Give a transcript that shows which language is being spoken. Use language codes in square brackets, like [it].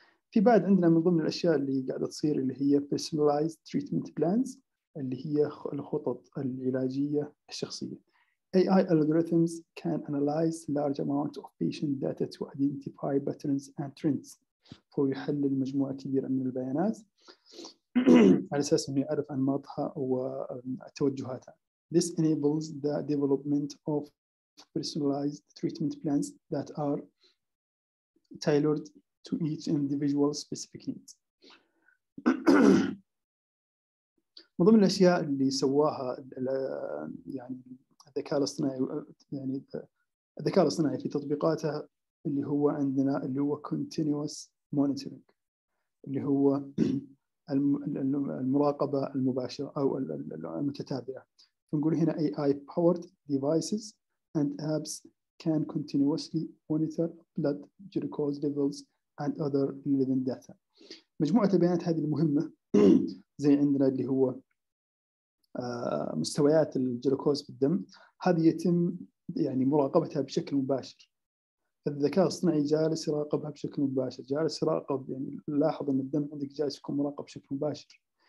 [ar] في بعد عندنا من ضمن الأشياء اللي قاعدة تصير اللي هي [en] personalized treatment plans، [ar] اللي هي الخطط العلاجية الشخصية. [en] AI algorithms can analyze large amount of patient data to identify patterns and trends، [ar] هو يحلل مجموعة كبيرة من البيانات على أساس أنه يعرف أنماطها وتوجهاتها. [en] This enables the development of personalized treatment plans that are tailored to each individual specific needs. [ar] من ضمن الأشياء اللي سواها يعني الذكاء الاصطناعي، يعني الذكاء الاصطناعي في تطبيقاته، اللي هو عندنا اللي هو [en] continuous monitoring، [ar] اللي هو المراقبة المباشرة أو المتتابعة. فنقول هنا [en] AI powered devices and apps can continuously monitor blood glucose levels and other living data. [ar] مجموعة البيانات هذه المهمة زي عندنا اللي هو مستويات الجلوكوز بالدم، هذه يتم يعني مراقبتها بشكل مباشر. الذكاء الاصطناعي جالس يراقبها بشكل مباشر، جالس يراقب يعني لاحظ ان الدم عندك جالس يكون مراقب بشكل مباشر.